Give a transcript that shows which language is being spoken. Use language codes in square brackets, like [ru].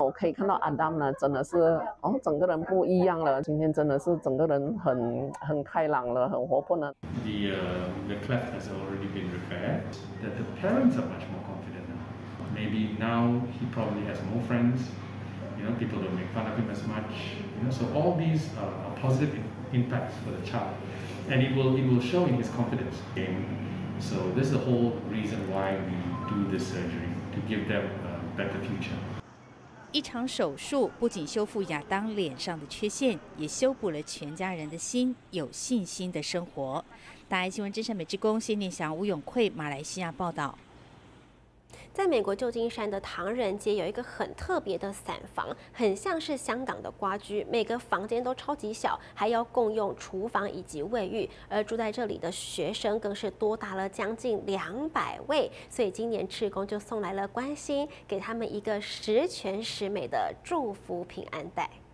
[zh] 我可以看到 Adam 呢，真的是哦，整个人不一样了。今天真的是整个人很开朗了，很活泼呢。 [en] The cleft has already been repaired. That the parents are much more confident now. Maybe now he probably has more friends. You know, people don't make fun of him as much. You know, so all these are positive impacts for the child, and it will show in his confidence gain. So this is the whole reason why we do this surgery to give them a better future. [zh] 一场手术不仅修复亚当脸上的缺陷，也修补了全家人的心，有信心的生活。大爱新闻真善美之工谢念祥、吴永慧，马来西亚报道。在美国旧金山的唐人街有一个很特别的伞房，很像是香港的瓜居，每个房间都超级小，还要共用厨房以及卫浴，而住在这里的学生更是多达了将近200位，所以今年志工就送来了关心，给他们一个十全十美的祝福平安袋。